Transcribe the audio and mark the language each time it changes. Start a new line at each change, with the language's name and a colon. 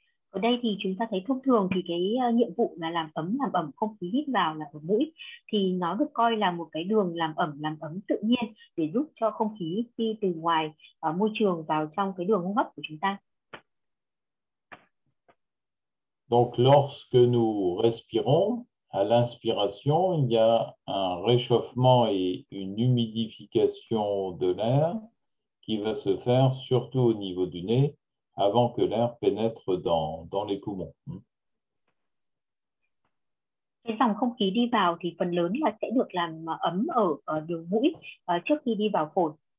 Vietnamese: Ở đây thì chúng ta thấy thông thường thì cái nhiệm vụ là làm ẩm không khí hít vào là ở mũi, thì nó được coi là một cái đường làm ẩm tự nhiên để giúp cho không khí đi từ ngoài môi trường vào trong cái đường hô hấp của chúng ta.
French: Donc lorsque nous respirons, à l'inspiration, il y a un réchauffement et une humidification de l'air qui va se faire surtout au niveau du nez avant que l'air pénètre dans les poumons.
Vietnamese: Cái dòng không khí đi vào thì phần lớn là sẽ được làm ấm ở đường mũi trước khi đi vào phổi.